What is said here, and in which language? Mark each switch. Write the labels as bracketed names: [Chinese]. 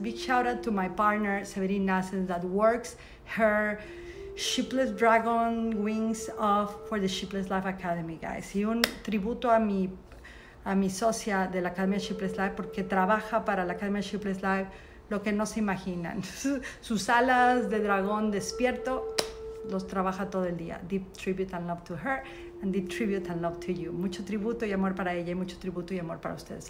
[English] Big shout out to my partner, Severine Nassen, that works her Sheepless Dragon Wings off for the Sheepless Life Academy, guys. [Spanish] Y un tributo a mi socia de la Academia Sheepless Life, porque trabaja para la Academia Sheepless Life lo que no se imaginan. Sus alas de dragón despierto los trabaja todo el día. [English] Deep tribute and love to her, and deep tribute and love to you. [Spanish] Mucho tributo y amor para ella, y mucho tributo y amor para ustedes.